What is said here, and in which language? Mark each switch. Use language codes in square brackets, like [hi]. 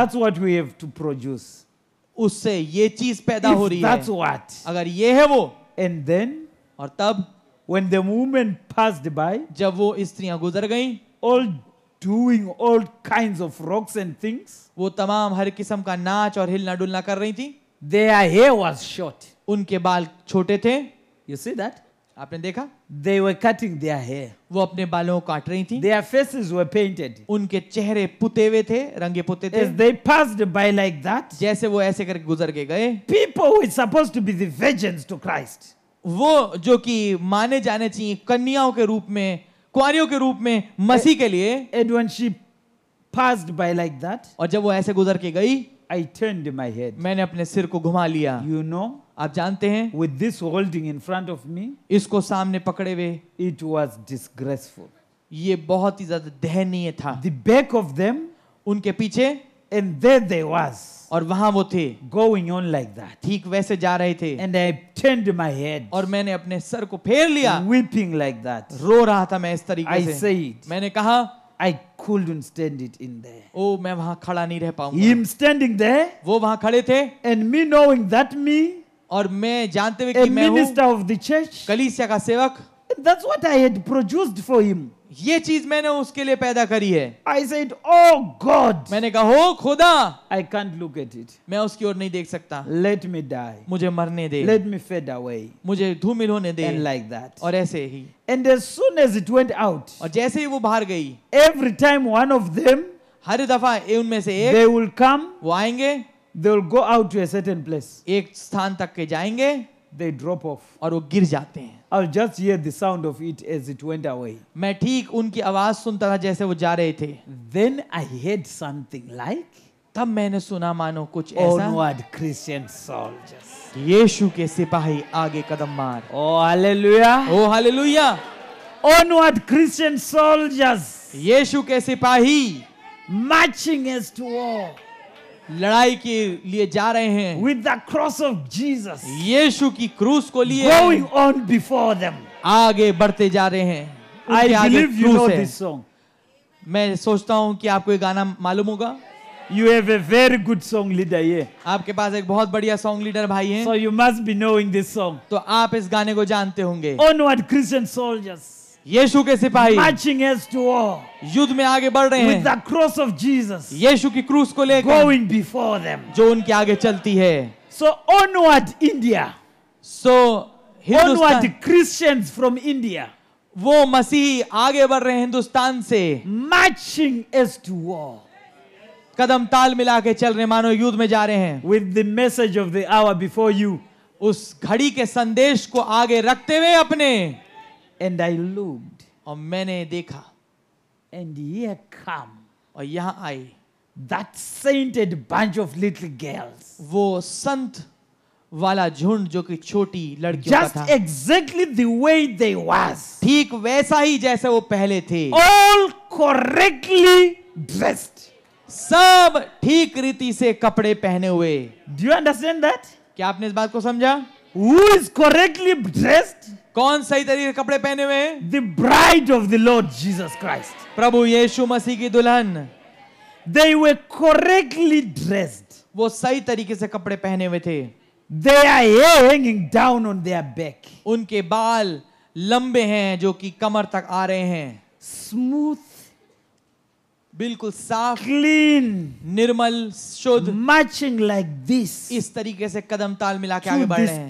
[en] That's what we have to produce. [hi] उससे ये चीज पैदा [en] if [hi] हो रही [en] that's [hi] है. [en] What, [hi] अगर ये है वो. [en] And then. [hi] और तब. [en] When the woman passed by. [hi] जब वो स्त्रियां गुजर गईं. [en] All doing all kinds of rocks and things. [hi] वो तमाम हर किस्म का नाच और हिलना डुलना कर रही थी. [en] Their hair was short. [hi] उनके बाल छोटे थे. [en] You see that? [hi] आपने देखा? [en] They were cutting their hair. [hi] वो अपने बालों को काट रही थी. [en] Their faces were painted. [hi] उनके चेहरे पुते हुए थे, रंगे पुते थे. [en] As they passed by like that, [hi] जैसे वो ऐसे करके गुजर के गए. [en] People who are supposed to be the virgins to Christ. [hi] वो जो कि माने जाने चाहिए कन्याओं के रूप में, कुंवारियों के रूप में मसीह के लिए. [en] And when she passed by like that, [hi] और जब वो ऐसे गुजर के गई, [en] I turned my head. [hi] मैंने अपने सिर को घुमा लिया. [en] You know, [hi] आप जानते हैं, [en] with this holding in front of me, [hi] इसको सामने पकड़े हुए, [en] it was disgraceful. [hi] ये बहुत ही ज़्यादा दयनीय था. [en] The back of them, [hi] उनके पीछे, [en] and there they was. [hi] और वहाँ वो थे, [en] going on like that. [hi] ठीक वैसे जा रहे थे. [en] And I turned my head. [hi] और मैंने अपने सर को फेर लिया. [en] Weeping like that. [hi] रो रहा था मैं इस तरीके [en] I [hi] से. [en] I said. [hi] मैंने कहा. [en] I couldn't stand it in there. [hi] Oh, मैं वहाँ खड़ा नहीं रह पाऊँगा. [en] Him standing there. [hi] वो वहाँ खड़े थे. [en] And me knowing that me. [hi] और मैं जानते हुए कि मैं हूँ. [en] A minister of the church. [hi] कलीसिया का सेवक. [en] That's what I had produced for him. [hi] ये चीज़ मैंने उसके लिए पैदा करी है. [en] I said, Oh God. [hi] मैंने कहा, Oh खुदा. [en] I can't look at it. [hi] मैं उसकी ओर नहीं देख सकता. [en] Let me die. [hi] मुझे मरने दे. [en] Let me fade away. [hi] मुझे धूमिल होने दे. [en] And like that. [hi] और ऐसे ही. [en] And as soon as it went out, [hi] और जैसे ही वो बाहर गई, [en] every time one of them, [hi] हर दफा उनमें से एक, [en] they will come, [hi] वो आएंगे, [en] they will go out to a certain place, [hi] एक स्थान तक के जाएंगे, [en] they drop off, [hi] और वो गिर जाते हैं. [en] I'll just hear the sound of it as it went away. [hi] मैं ठीक उनकी आवाज सुनता था जैसे वो जा रहे थे. [en] Then I heard something like, [hi] तब मैंने सुना मानो कुछ ऐसा. [en] Onward Christian soldiers. [hi] यीशु के सिपाही आगे कदम मार. ओ हालेलुया. ओ हालेलुया. [en] Onward Christian soldiers. [hi] यीशु के सिपाही. [en] Marching as to war. [hi] लड़ाई के लिए जा रहे हैं. [en] With the cross of Jesus. [hi] यीशु की क्रूस को लिए. [en] Going on before them. [hi] आगे बढ़ते जा रहे हैं. [en] I believe you know this song. [hi] मैं सोचता हूं कि आपको ये गाना मालूम होगा. [en] You have a very good song leader here. [hi] आपके पास एक बहुत बढ़िया song leader भाई हैं. [en] So you must be knowing this song. [hi] तो आप इस गाने को जानते होंगे. [en] Onward Christian soldiers. [hi] यीशु के सिपाही. [en] Marching as to war. [hi] युद्ध में आगे बढ़ रहे हैं. [en] With the cross of Jesus. [hi] यीशु की क्रूस को लेकर. [en] Going before them. [hi] जो उनके आगे चलती है. [en] So onward India. [hi] So Hindustan. [en] Onward Christians from India. [hi] वो मसीही आगे बढ़ रहे हैं हिंदुस्तान से. [en] Marching as to war. [hi] कदम ताल मिला के चल रहे मानो युद्ध में जा रहे हैं. [en] With the message of the hour before you. [hi] उस घड़ी के संदेश को आगे रखते हुए अपने. [en] And I looked. [hi] और मैंने देखा. [en] And here come. [hi] और यहां आई. [en] That sainted bunch of little girls. [hi] वो संत वाला झुंड जो कि छोटी लड़कियों का था. [en] Just exactly the way they was. [hi] ठीक वैसा ही जैसे वो पहले थे. [en] All correctly dressed. [hi] सब ठीक रीति से कपड़े पहने हुए. [en] Do you understand that? [hi] क्या आपने इस बात को समझा? [en] Who is correctly dressed? [hi] कौन सही तरीके से कपड़े पहने हुए? [en] The bride of the Lord Jesus Christ. [hi] प्रभु यीशु मसीह की दुल्हन. [en] They were correctly dressed. [hi] वो सही तरीके से कपड़े पहने हुए थे. [en] They are hanging down on their back. [hi] उनके बाल लंबे हैं जो कि कमर तक आ रहे हैं. [en] Smooth. [hi] बिल्कुल साफ. [en] Clean. [hi] निर्मल शुद्ध. [en] Marching like this. [hi] इस तरीके से कदम ताल मिला के आगे बढ़ रहे हैं.